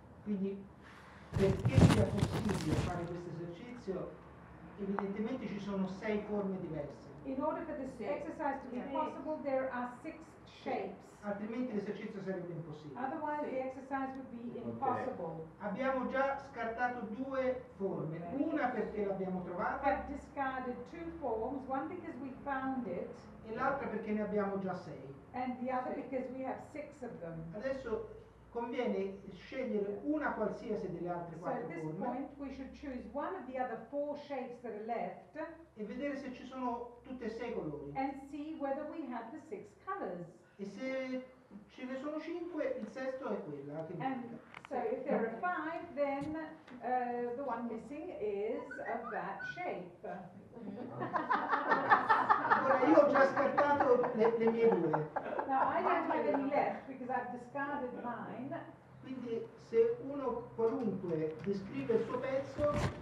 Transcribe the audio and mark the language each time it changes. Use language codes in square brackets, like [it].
[it] Quindi perché sia possibile fare questo esercizio, evidentemente ci sono sei forme diverse. [en] In order for this exercise to be possible, there are six shapes. [it] Altrimenti l'esercizio sarebbe impossibile. [en] Otherwise the exercise would be impossible. [it] Okay. Abbiamo già scartato due forme. Una perché l'abbiamo trovata. [en] We have discarded two forms, one because we found it. [it] E l'altra perché ne abbiamo già sei. [en] And the other because we have six of them. [it] Adesso conviene scegliere una qualsiasi delle altre quattro forme. [en] So at this point we should choose one of the other four shapes that are left. [it] E vedere se ci sono tutte e sei colori. [en] And see whether we have the six colors. [it] E se ce ne sono cinque, il sesto è quella. Che [en] and so if there are five, then the one missing is of that shape. [it] Ora io ho già scartato le mie due. [en] No, I don't have any left because I've discarded mine. [it] Quindi se uno qualunque descrive il suo pezzo.